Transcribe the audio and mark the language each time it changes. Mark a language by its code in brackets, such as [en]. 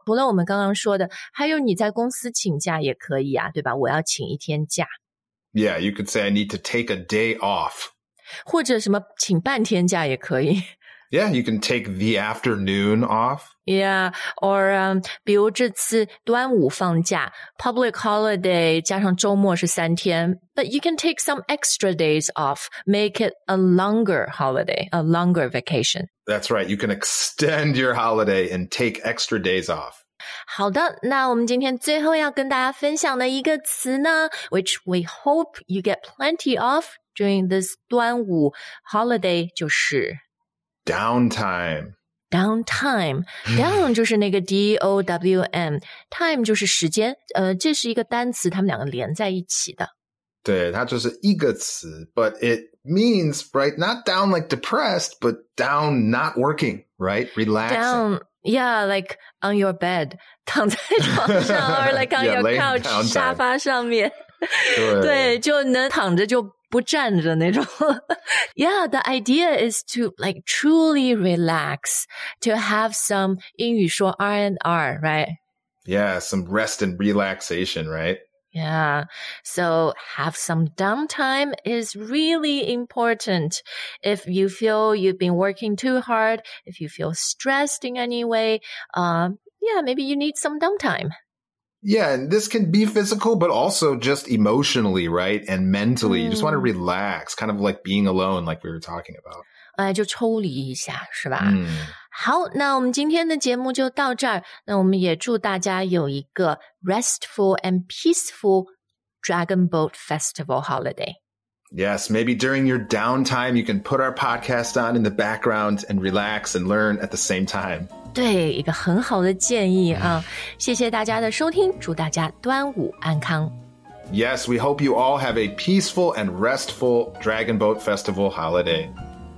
[zh] 除了我们刚刚说的，还有你在公司请假也可以啊，对吧？我要请一天假。 [en] Yeah, you could say I need to take a day off. [zh] 或者什么请半天假也可以。 [en] Yeah, you can take the afternoon off. Yeah, or [zh] 比如这次端午放假 [en] public holiday [zh] 加上周末是三天 [en] but you can take some extra days off, make it a longer holiday, a longer vacation. That's right, you can extend your holiday and take extra days off. [zh] 好的，那我们今天最后要跟大家分享的一个词呢 [en] which we hope you get plenty of during this 端午 holiday [zh] 就是 [en] Downtime. Downtime. Down [zh] 就是那个 [en] D-O-W-N. [zh] Time 就是时间。这是一个单词他们两个连在一起的。对它就是一个词 [en] but it means, right, not down like depressed, but down not working, right? Relaxing. Down, yeah, like on your bed, [zh] 躺在床上 [en] or like on yeah, your couch, [zh] 沙发上面。对, 对就能躺着就不站着那种。 [en] Yeah, the idea is to like truly relax, to have some [zh] 英语说 [en] R&R, right? Yeah, some rest and relaxation, right? Yeah, so have some downtime is really important. If you feel you've been working too hard, if you feel stressed in any way, yeah, maybe you need some downtime. Yeah, and this can be physical, but also just emotionally, right? And mentally, you just want to relax, kind of like being alone, like we were talking about. [zh] 就抽离一下，是吧？好，那我们今天的节目就到这儿。那我们也祝大家有一个 [en] restful and peaceful Dragon Boat Festival holiday. Yes, maybe during your downtime, you can put our podcast on in the background and relax and learn at the same time. [zh] 对，一个很好的建议啊！谢谢大家的收听，祝大家端午安康。 [en] Yes, we hope you all have a peaceful and restful Dragon Boat Festival holiday.